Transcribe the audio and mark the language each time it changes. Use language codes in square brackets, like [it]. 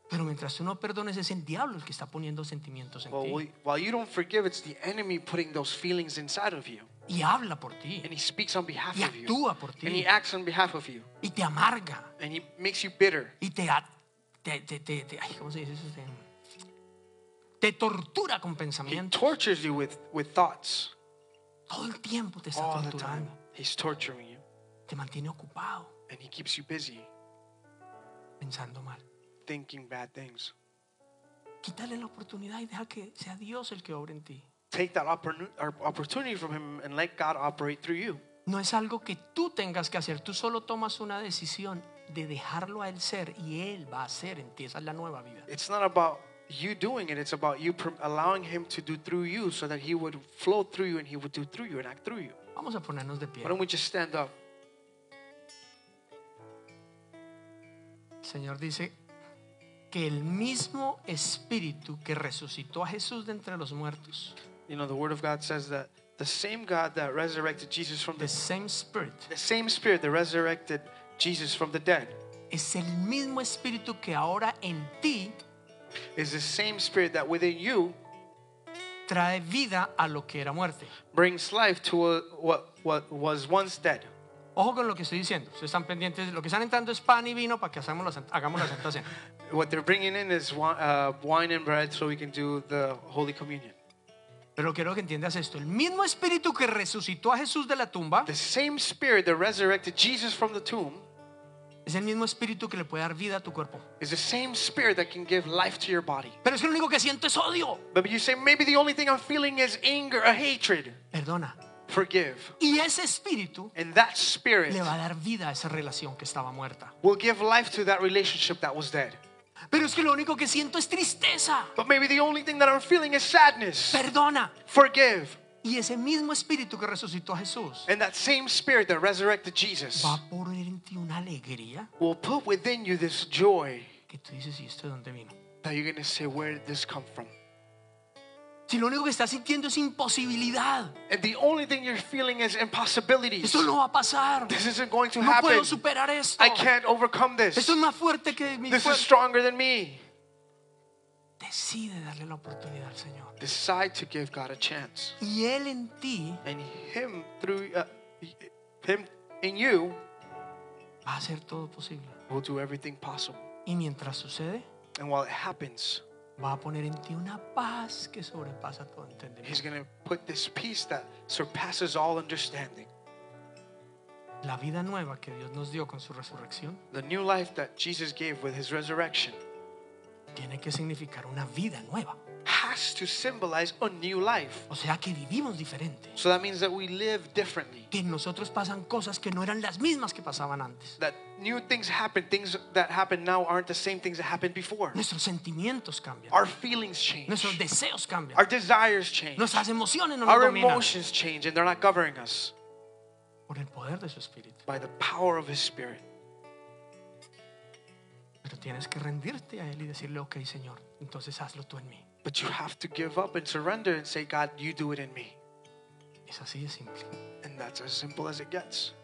[es] Pero mientras tú no perdones, es el diablo el que está poniendo sentimientos en ti. [en] While you don't forgive, it's the enemy putting those feelings inside of you. [es] Y habla por ti. [en] And he speaks on behalf of you. [es] Y actúa por ti. [en] And he acts on behalf of you. [es] Y te amarga. [en] And he makes you bitter. [es] Y te ay, ¿cómo se dice eso? Te tortura con pensamientos. [en] He tortures you with thoughts. [es] Todo el tiempo te está [en] all [es] torturando. [en] He's torturing you. [es] Te mantiene ocupado. [en] And he keeps you busy. [es] Pensando mal. [en] Thinking bad things. [es] Quítale la oportunidad y deja que sea Dios el que obre en ti. [en] Take that opportunity from him and let God operate through you. [es] No es algo que tú tengas que hacer. Tú solo tomas una decisión de dejarlo a él ser y él va a ser en ti. Esa es la nueva vida. [en] It's not about you doing it. It's about you allowing him to do through you so that he would flow through you and he would do through you and act through you. [es] Vamos a ponernos de pie. [en] Why don't we just stand up? [es] Señor dice que el mismo espíritu que resucitó a Jesús de entre los muertos. [en] You know, the word of God says that the same God that resurrected Jesus from the same spirit that resurrected Jesus from the dead [es] es el mismo espíritu que ahora en ti [en] is the same spirit that within you [es] trae vida a lo que era muerte. [en] Brings life to what was once dead. [es] Ojo con lo que estoy diciendo. Si están pendientes, lo que están entrando es pan y vino para que hagamos la Santa Cena. [en] What they're bringing in is wine and bread so we can do the Holy Communion. [es] Pero quiero que entiendas esto. El mismo espíritu que resucitó a Jesús de la tumba, [en] the same spirit that resurrected Jesus from the tomb, [es] es el mismo espíritu que le puede dar vida a tu cuerpo. [en] Is the same spirit that can give life to your body. [es] Pero es que lo único que siento es odio. [en] But you say maybe the only thing I'm feeling is anger, a hatred. [es] Perdona. [en] Forgive. [es] Y ese espíritu, [en] and that spirit, [es] le va a dar vida a esa relación que estaba muerta. [en] Will give life to that relationship that was dead. [es] Pero es que lo único que siento es tristeza. [en] But maybe the only thing that I'm feeling is sadness. [es] Perdona. [en] Forgive. [es] Y ese mismo espíritu que resucitó a Jesús, [en] and that same spirit that resurrected Jesus, [es] va a poner en ti una alegría, [en] will put within you this joy, [es] que tú dices, ¿y esto de dónde vino? [en] That you're going to say, where did this come from? [es] Si lo único que estás sintiendo es imposibilidad, [en] and the only thing you're feeling is impossibilities, [es] esto no va a pasar, [en] this isn't going to [es] no [en] happen, [es] puedo superar esto, [en] I can't overcome this, [es] esto es más fuerte que mi, [en] this is stronger than me, [es] decide darle la oportunidad al Señor, [en] decide to give God a chance, [es] y él en ti, [en] and him through him in you, [es] va a hacer todo posible, [en] will do everything possible, [es] y mientras sucede, [en] and while it happens, [es] va a poner en ti una paz que sobrepasa todo entendimiento. [en] He's going to put this peace that surpasses all understanding. [es] La vida nueva que Dios nos dio con su resurrección. [en] The new life that Jesus gave with his resurrection. [es] Tiene que significar una vida nueva. [en] Has to symbolize a new life. [es] O sea que vivimos diferente. [en] So that means that we live differently. [es] Que en nosotros pasan cosas que no eran las mismas que pasaban antes. [en] That new things happen. Things that happen now aren't the same things that happened before. [es] Nuestros sentimientos cambian. [en] Our feelings change. [es] Nuestros deseos cambian. [en] Our desires change. [es] Nuestras emociones no nos dominan. [en] Our emotions change and they're not governing us. [es] Por el poder de su espíritu. [en] By the power of his spirit. [es] Pero tienes que rendirte a él y decirle, okay, Señor, entonces hazlo tú en mí. [en] But you have to give up and surrender and say, God, you do it in me. [es] Es así de simple. [en] And that's as simple as it gets.